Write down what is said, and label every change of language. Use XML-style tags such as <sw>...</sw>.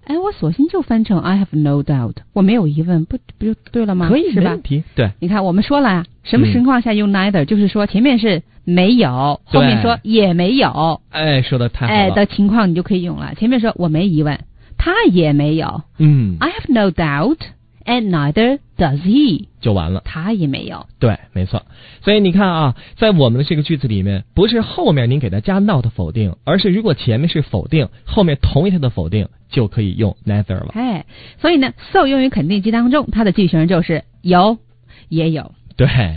<zh>哎，我索性就翻成</zh> <en>I have no doubt，</en> <zh>我没有疑问，不就对了吗？可以，是吧？没问题。对，你看，我们说了，什么情况下用 neither，嗯，就是说前面是没有，后面说也没有。哎，说的太好了。哎，的情况你就可以用了。前面说我没疑问，他也没有。嗯</zh> <en>，I have no doubt and neither does he，</en> <zh>就完了。他也没有。对，没错。所以你看啊，在我们的这个句子里面，不是后面您给他加 not 否定，而是如果前面是否定，后面同意他的否定，就可以用 neither 了。哎，所以呢 ，so 用于肯定句当中，它的句型就是有，也有。对</zh>